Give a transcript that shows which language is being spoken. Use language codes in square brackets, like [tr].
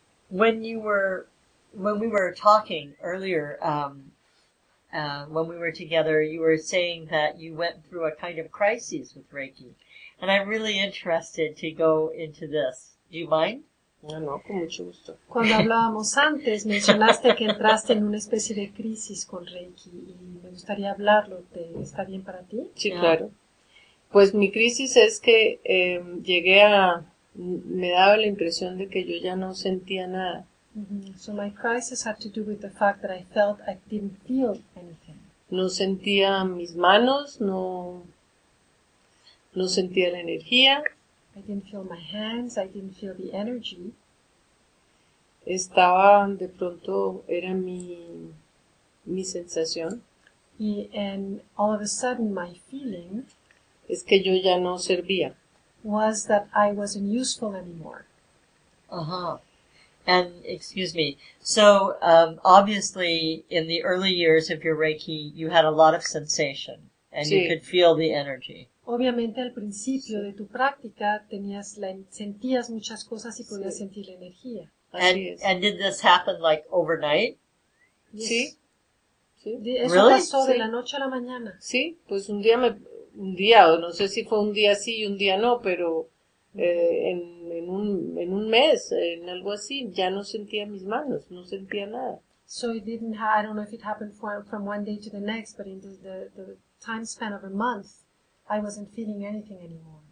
[en] So when we were talking earlier, when we were together, you were saying that you went through a kind of crisis with Reiki. And I'm really interested to go into this. Do you mind? [es] No, con mucho gusto. Cuando hablábamos antes, mencionaste que entraste en una especie de crisis con Reiki. Y me gustaría hablarlo. ¿Está bien para ti? Sí, claro. Pues mi crisis es que llegué a... Me daba la impresión de que yo ya no sentía nada. [en] So my crisis had to do with the fact that I felt I didn't feel anything. [es] No sentía mis manos, no sentía la energía. [en] I didn't feel my hands, I didn't feel the energy. [es] Estaba, de pronto, era mi sensación. [en] And all of a sudden my feeling [es] es que yo ya no servía. [en] Was that I wasn't useful anymore. And, excuse me, so obviously in the early years of your Reiki, you had a lot of sensation, and you could feel the energy. [es] Obviamente al principio de tu práctica sentías muchas cosas y podías sentir la energía. [en] And did this happen, like, overnight? Yes. Sí. Really? [es] Eso pasó de la noche a la mañana. Sí, pues un día, no sé si fue un día sí y un día no, pero en un mes, en algo así, ya no sentía mis manos, no sentía nada. [en] So it didn't have, I don't know if it happened from one day to the next, but in the time span of a month, I wasn't feeling anything anymore.